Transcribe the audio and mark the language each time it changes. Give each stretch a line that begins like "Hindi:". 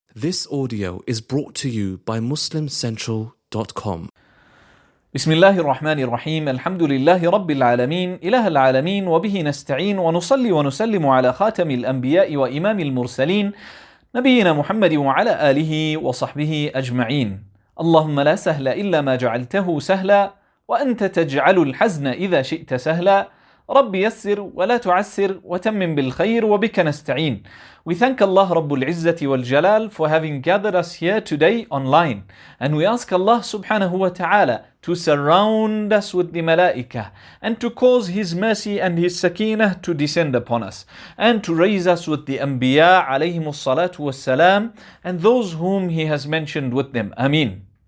English: This audio is brought to you by MuslimCentral.com.
Arabic: بسم الله الرحمن الرحيم الحمد لله رب العالمين إله العالمين وبه نستعين ونصلي ونسلم على خاتم الأنبياء وإمام المرسلين نبينا محمد وعلى آله وصحبه أجمعين. اللهم لا سهل إلا ما جعلته سهلا وأنت تجعل الحزن إذا شئت سهلا. رب يسر ولا تعسر وتمم بالخير وبك نستعين.
English: We thank Allah Rabbul Izzati wal Jalal for having gathered us here today online. And we ask Allah subhanahu wa ta'ala to surround us with the malaika and to cause His mercy and His sakinah to descend upon us and to raise us with the anbiya alayhimu salatu wa salam and those whom He has mentioned with them. Ameen.